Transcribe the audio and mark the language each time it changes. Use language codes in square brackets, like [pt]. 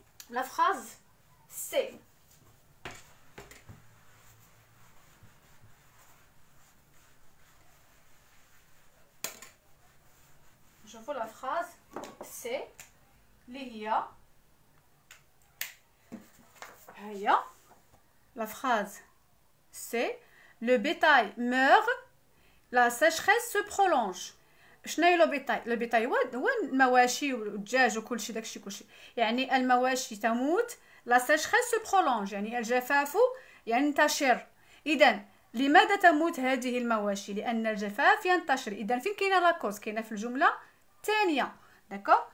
[ar] لا فراز سي نشوفوا لا فراز سي اللي هي هيا [fr] La phrase c'est le bétail meurt, la sécheresse se prolonge. [ar] شنو لو بيتاي لو بيتاي وين المواشي والدجاج وكل شيء داكشي كلشي يعني المواشي تموت لا سيشريس سو برولونج يعني الجفاف ينتشر. اذا لماذا تموت هذه المواشي؟ لان الجفاف ينتشر. اذا فين كاينه لا كوز؟ كاينه في الجمله الثانيه داكو.